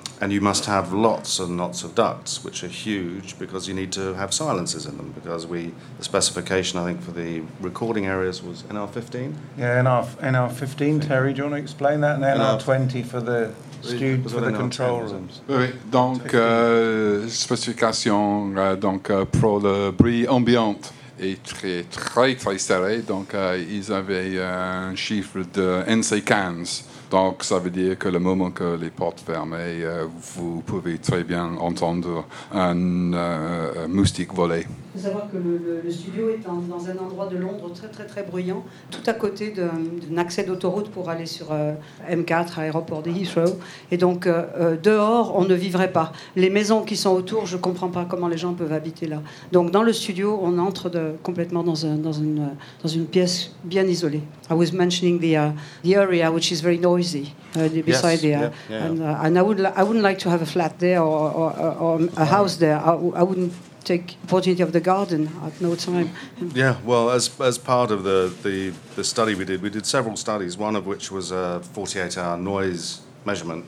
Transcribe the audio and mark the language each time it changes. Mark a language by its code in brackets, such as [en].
[en] And you must have lots and lots of ducts, which are huge, because you need to have silencers in them, because the specification, I think, for the recording areas was NR15? Yeah, NR15, Terry, do you want to explain that? And NR20 for the studio, for the control rooms. [fr] Oui, donc, spécification donc, pour le bruit ambiant est très, très, très serré. Donc, ils avaient un chiffre de NC15. Donc, ça veut dire que le moment que les portes fermées, vous pouvez très bien entendre un moustique voler. Il faut savoir que le studio est dans un endroit de Londres très, très, très bruyant, tout à côté d'un accès d'autoroute pour aller sur M4, aéroport de Heathrow. Et donc, dehors, on ne vivrait pas. Les maisons qui sont autour, je ne comprends pas comment les gens peuvent habiter là. Donc, dans le studio, on entre complètement dans une pièce bien isolée. [en] I was mentioning the area, which is very noisy, beside yeah, yeah, and, yeah. And I wouldn't like to have a flat there or a house there. I wouldn't take opportunity of the garden at no time. Yeah, well, as part of the study we did several studies, one of which was a 48-hour noise measurement.